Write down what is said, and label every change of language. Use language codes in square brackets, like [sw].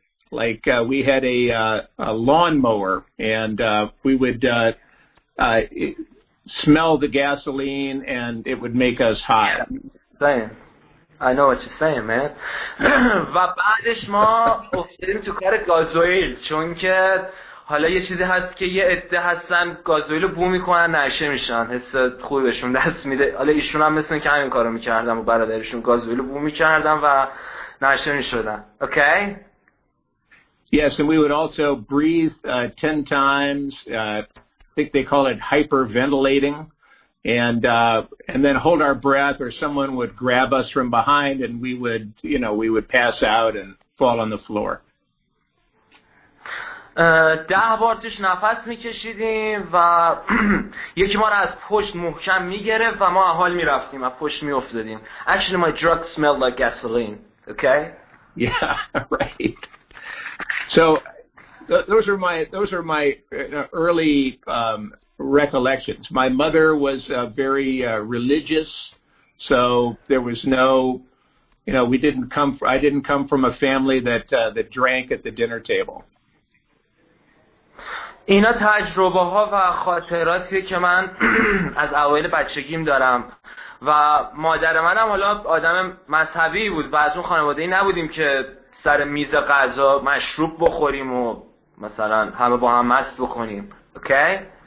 [en] Like, we had a lawnmower, and we would smell the gasoline, and it would make us hot. I know what you're saying, man. [fa] و بعدش ما افتادیم تو کار گازوئیل چون که حالا یه چیزی هست که یه عده هستن گازوئیل رو بو میکنن نشه میشن حس خوبی بهشون دست میده حالا ایشون هم مثل که همین کار رو میکردن و برادرشون گازوئیل رو بو میکردن و نشه میشدن اوکی؟ [en] okay? Yes and we would also breathe 10 times I think they call it hyperventilating and then hold our breath or someone would grab us from behind and we would you know we would pass out and fall on the floor [fa] ده بار توش نفس میکشیدیم و یکی ما رو از پشت محکم میگرفت و ما حال میرفتیم و پشت میافتادیم [en] Actually my drug smelled like gasoline, okay? Yeah, right. So those are my early recollections. My mother was very religious, so there was no, you know, I didn't come from a family that drank at the dinner table. [fa] اینا تجربه ها و خاطراتی که من از اوایل بچگیم دارم و مادر منم حالا آدم مذهبی بود و از اون خانواده ای نبودیم که سر میز غذا مشروب بخوریم و مثلا همه با هم مست بکنیم اوکی